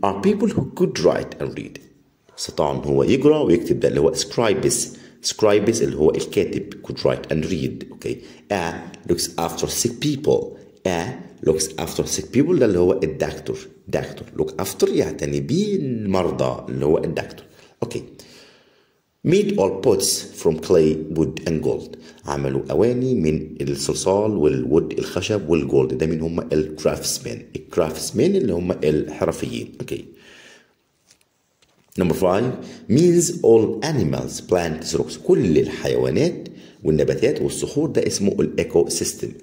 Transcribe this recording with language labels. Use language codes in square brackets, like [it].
[en] Are people who could write and read. [ar] استطاع ان هو يقرا ويكتب. ده اللي هو scribes. [en] Scribes [ar] اللي هو الكاتب. [en] Could write and read. Okay. A looks after sick people. A looks after sick people. [ar] ده اللي هو الدكتور. دكتور. Look after يعتني بالمرضى اللي هو الدكتور. Okay. [en] Made all pots from clay, wood and gold. [ar] عملوا اواني من الصلصال والود الخشب والجولد. ده من هم الكرافتسمن. الكرافتسمن اللي هم الحرفيين. [en] Okay. Number five means all animals, plants, rocks. [ar] كل الحيوانات والنباتات والصخور ده اسمه الايكو سيستم.